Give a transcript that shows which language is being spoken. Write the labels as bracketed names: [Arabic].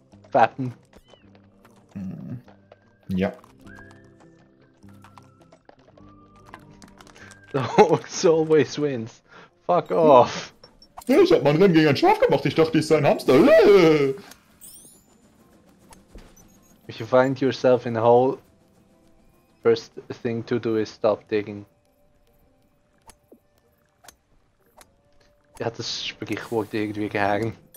[German] Fappen. Ja. [English] The horse always wins. Fuck off. [German] Ich hab mein Rennen gegen einen Schaf gemacht, ich dachte, ich sei ein Hamster. [English] If you find yourself in a hole, first thing to do is stop digging. [German] Ja, das Sprichwort irgendwie gehangen.